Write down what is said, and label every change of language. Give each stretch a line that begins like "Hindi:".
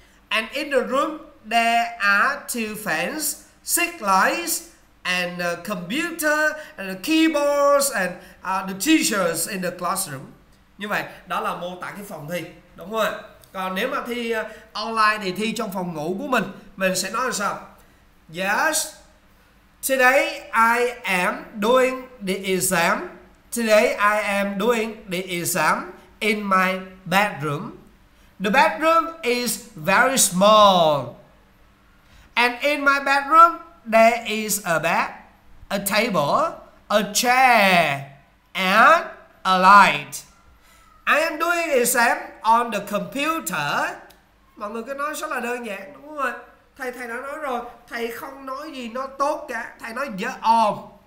English: And in the room, there are 2 fans, 6 lights, and a computer, and a keyboards, and the teachers in the classroom.
Vietnamese: Như vậy, đó là mô tả cái phòng thi, đúng không ạ? Còn nếu mà thi online thì thi trong phòng ngủ của mình sẽ nói là sao?
English: Yes, today I am doing the exam. Today I am doing the exam in my bedroom. The bedroom is very small. And in my bedroom, there is a bed, a table, a chair, and a light. I am doing exam on the computer.
Vietnamese: Mọi người cứ nói rất là đơn giản, đúng không ạ? Thầy đã nói rồi, thầy không nói gì nó tốt cả. Thầy nói dở ôm.